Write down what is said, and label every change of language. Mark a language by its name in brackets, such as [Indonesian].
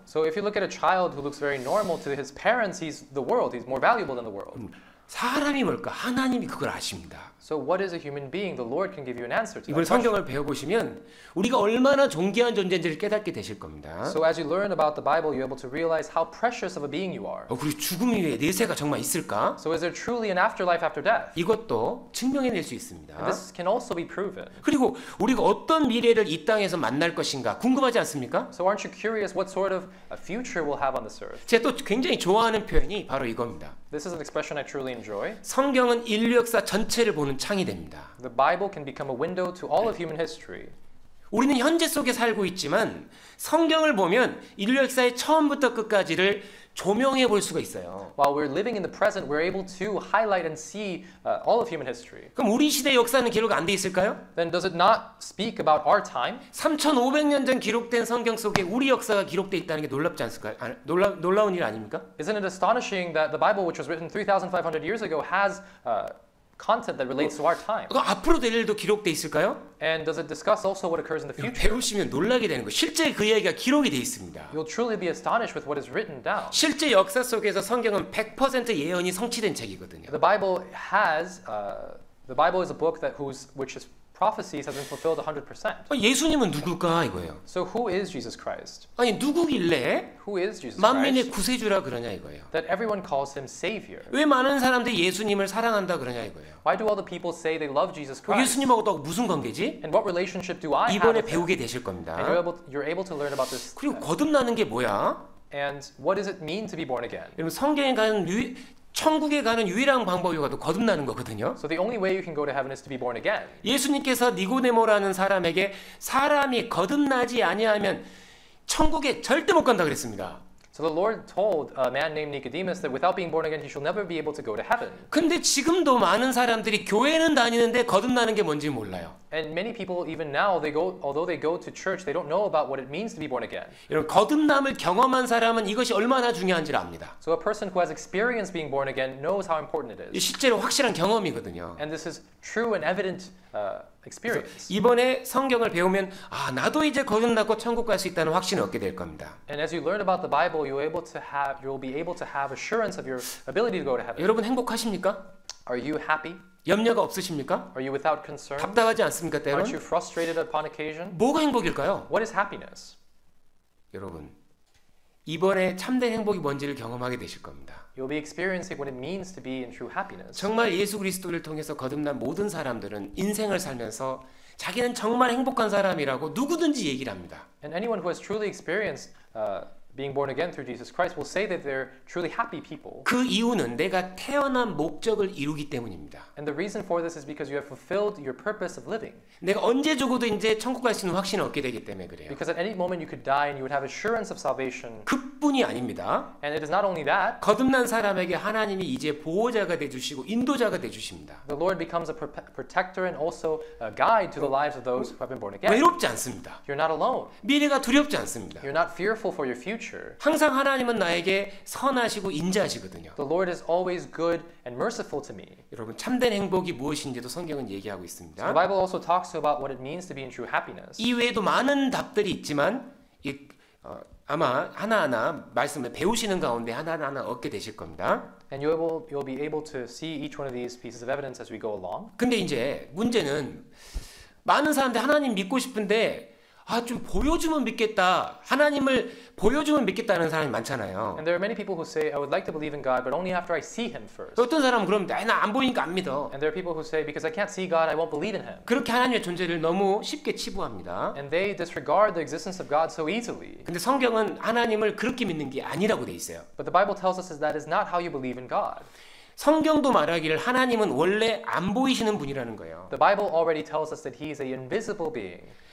[English] So if you look at a child who looks very normal to his parents, he's the world. He's more valuable than the world. [Korean] 사람이 뭘까? 하나님이 그걸 아십니다. [English] So what is a human being? The Lord can give you an answer to that. [Korean] 이번 성경을 배워 보시면 우리가 얼마나 존귀한 존재인지를 깨닫게 되실 겁니다. [English] So as you learn about the Bible, you're able to realize how precious of a being you are. [Korean] 그리고 죽음 이후에 내세가 정말 있을까? [English] So is there truly an afterlife after death? [Korean] 이것도 증명해 낼 수 있습니다. [English] And this can also be proven. [Korean] 그리고 우리가 어떤 미래를 이 땅에서 만날 것인가 궁금하지 않습니까? [English] So aren't you curious what sort of a future we'll have on this earth? [Korean] 제가 또 굉장히 좋아하는 표현이 바로 이겁니다. [English] This is an expression I truly enjoy. [Korean] 성경은 인류 역사 전체를 보는 창이 됩니다. [English] The Bible can become a window to all of human history. [Korean] 우리는 현재 속에 살고 있지만 성경을 보면 인류 역사의 처음부터 끝까지를 조명해 볼 수가 있어요. [English] While we're living in the present, we're able to highlight and see all of human history. [Korean] 그럼 우리 시대 역사는 기록 안 돼 있을까요? [English] Then does it not speak about our time? [Korean] 3,500년 전 기록된 성경 속에 우리 역사가 기록돼 있다는 게 놀랍지 않을까요? 놀라운 일 아닙니까? [English] Isn't it astonishing that the Bible, which was written 3,500 years ago, has content that relates to our time. [Korean] 그 앞으로 될 일도 기록돼 있을까요? [English] And does it discuss also what occurs in the future? [Korean] 배우시면 놀라게 되는 거. 실제 그 이야기가 기록이 돼 있습니다. [English] You'll truly be astonished with what is written down. [Korean] 실제 역사 속에서 성경은 100% 예언이 성취된 책이거든요. [English] The Bible is a book which is prophecies have been fulfilled 100%. [Korean] 예수님은 누굴까 이거예요. [English] So who is Jesus Christ? [Korean] 아니 누구길래? [English] Who is Jesus Christ? [Korean] 만민의 구세주라 그러냐 이거예요. [English] That everyone calls him savior. [Korean] 왜 많은 사람들이 예수님을 사랑한다 그러냐 이거예요. [English] Why do all the people say they love Jesus Christ? [Korean] 예수님하고 또 무슨 관계지? [English] And what relationship do I have? [Korean] 이번에 배우게 되실 겁니다. [English] And you're able to learn about this. [Korean] 그리고 거듭나는 게 뭐야? [English] And what does it mean to be born again? [Korean] 여러분 성경에 가는 천국에 가는 유일한 방법이 바로 거듭나는 거거든요. [English] So the only way you can go to heaven is to be born again. [Korean] 예수님께서 니고데모라는 사람에게 사람이 거듭나지 아니하면 천국에 절대 못 간다 그랬습니다. [English] So the Lord told a man named Nicodemus that without being born again, he shall never be able to go to heaven. [Korean] 근데 지금도 많은 사람들이 교회는 다니는데 거듭나는 게 뭔지 몰라요. [English] And many people even now they go although they go to church they don't know about what it means to be born again. [Korean] 여러분 거듭남을 경험한 사람은 이것이 얼마나 중요한지를 압니다. [English] So a person who has experienced being born again knows how important it is. [Korean] 실제로 확실한 경험이거든요. [English] And this is true and evident experience. [Korean] 이번에 성경을 배우면 아 나도 이제 거듭나고 천국 갈 수 있다는 확신을 얻게 될 겁니다. [English] And as you learn about the Bible you'll be able to have assurance of your ability to go to heaven. [Korean] 여러분 행복하십니까? [English] Are you happy? [Korean] 염려가 없으십니까? [English] Are you without concern? [Korean] 답답하지 않습니까, 때론? [English] Aren't you frustrated upon occasion? [Korean] 뭐가 행복일까요? [English] What is happiness? [Korean] 여러분, 이번에 참된 행복이 뭔지를 경험하게 되실 겁니다. [English] You'll be experiencing what it means to be in true happiness. [Korean] 정말 예수 그리스도를 통해서 거듭난 모든 사람들은 인생을 살면서 자기는 정말 행복한 사람이라고 누구든지 얘기를 합니다. [English] And anyone who has truly experienced being born again through Jesus Christ will say that they're truly happy people. [Korean] 그 이유는 내가 태어난 목적을 이루기 때문입니다. [English] And the reason for this is because you have fulfilled your purpose of living. [Korean] 내가 언제 죽어도 이제 천국 갈 수 있는 확신을 얻게 되기 때문에 그래요. [English] Because at any moment you could die and you would have assurance of salvation. [Korean] 그뿐이 아닙니다. [English] And it is not only that. [Korean] 거듭난 사람에게 하나님이 이제 보호자가 돼 주시고 인도자가 돼 주십니다. [English] The Lord becomes a protector and also a guide to the lives of those who have been born again. [Korean] 외롭지 않습니다. [English] You're not alone. [Korean] 미래가 두렵지 않습니다. [English] You're not fearful for your future. [Korean] 항상 하나님은 나에게 선하시고 인자하시거든요. [English] The Lord is always good and merciful to me. [Korean] 여러분 참된 행복이 무엇인지도 성경은 얘기하고 있습니다. [English] The Bible also talks about what it means to be in true happiness. [Korean] 이외에도 많은 답들이 있지만 아마 하나하나 말씀을 배우시는 가운데 하나하나 얻게 되실 겁니다. [English] And you'll be able to see each one of these pieces of evidence as we go along. [Korean] 근데 이제 문제는 많은 사람들이 하나님 믿고 싶은데 아, 좀 보여주면 믿겠다. 하나님을 보여주면 믿겠다는 사람이 많잖아요. [English] And there are many people who say I would like to believe in God but only after I see him first. [Korean] 어떤 사람은 그럼 나 안 보이니까 안 믿어. [English] And there are people who say because I can't see God I won't believe in him. [Korean] 그렇게 하나님의 존재를 너무 쉽게 치부합니다. [English] And they disregard the existence of God so easily. [Korean] 근데 성경은 하나님을 그렇게 믿는 게 아니라고 돼 있어요. [English] But the Bible tells us that is not how you believe in God. [Korean] 성경도 말하기를 하나님은 원래 안 보이시는 분이라는 거예요. [English] The Bible already tells us that he is an invisible being.